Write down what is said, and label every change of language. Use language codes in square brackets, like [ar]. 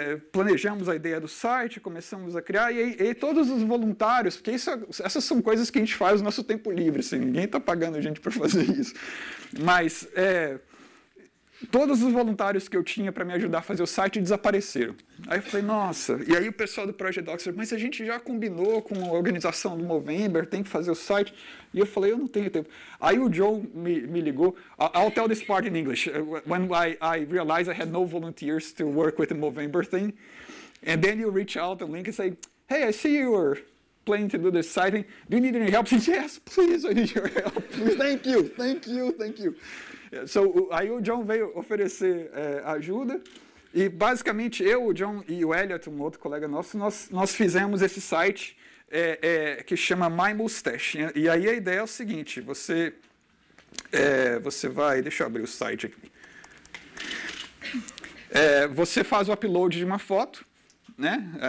[pt] planejamos a ideia do site, começamos a criar, e todos os voluntários, porque essas são coisas que a gente faz no nosso tempo livre, assim, ninguém está pagando a gente para fazer isso. Mas todos os voluntários que eu tinha para me ajudar a fazer o site desapareceram. Aí eu falei, nossa, e aí o pessoal do Project Oxford, mas a gente já combinou com a organização do Movember, tem que fazer o site. E eu falei, eu não tenho tempo. Aí o Joe me ligou, [en] I'll tell this part in English, when I realized I had no volunteers to work with the Movember thing. And then you reach out and link and say, hey, I see you are planning to do this site. Do you need any help? Said, yes, please, I need your help. Thank you. [pt] So, aí o John veio oferecer ajuda, e basicamente eu, o John e o Elliot, um outro colega nosso, nós fizemos esse site que chama My Mustache. E aí a ideia é o seguinte, você vai, deixa eu abrir o site aqui, você faz o upload de uma foto, né?